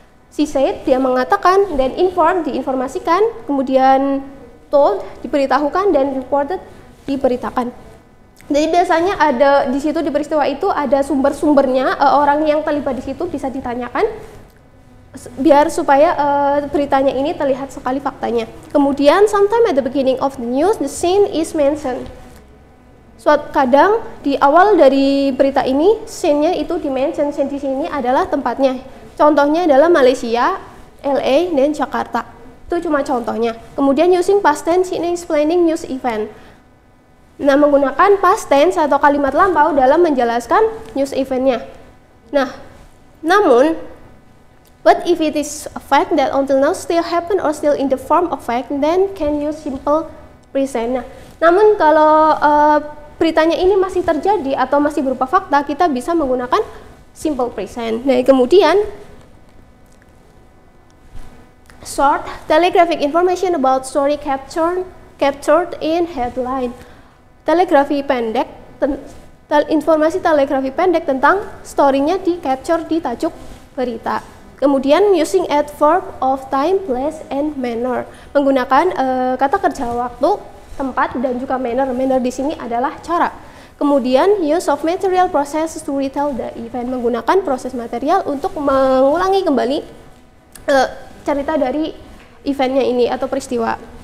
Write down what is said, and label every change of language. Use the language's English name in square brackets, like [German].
[Indonesian] She said, dia mengatakan, then informed, diinformasikan, kemudian told, diberitahukan, dan reported, diberitakan. Jadi biasanya ada di situ, di peristiwa itu ada sumber-sumbernya, orang yang terlibat di situ bisa ditanyakan biar supaya beritanya ini terlihat sekali faktanya. [English] Kemudian sometime at the beginning of the news the scene is mentioned. [Indonesian] Suatu kadang di awal dari berita ini scene-nya itu dimention. Scene di sini adalah tempatnya. Contohnya adalah Malaysia, LA, dan Jakarta. Itu cuma contohnya. Kemudian [English] using past tense in explaining news event. [Indonesian] Nah, menggunakan past tense atau kalimat lampau dalam menjelaskan news event-nya. Nah, namun [English] but if it is a fact that until now still happen or still in the form of fact, then can use simple present. [Indonesian] Nah, namun kalau beritanya ini masih terjadi atau masih berupa fakta, kita bisa menggunakan simple present. [English] Nah, kemudian short telegraphic information about story captured in headline. [Indonesian] Telegrafi pendek, informasi telegrafi pendek tentang story-nya di capture di tajuk berita. [English] Kemudian using adverb of time, place, and manner. [Indonesian] Menggunakan kata kerja waktu, tempat, dan juga manner. Manner di sini adalah cara. Kemudian [English] use of material process to retell the event. [Indonesian] Menggunakan proses material untuk mengulangi kembali cerita dari event-nya ini atau peristiwa.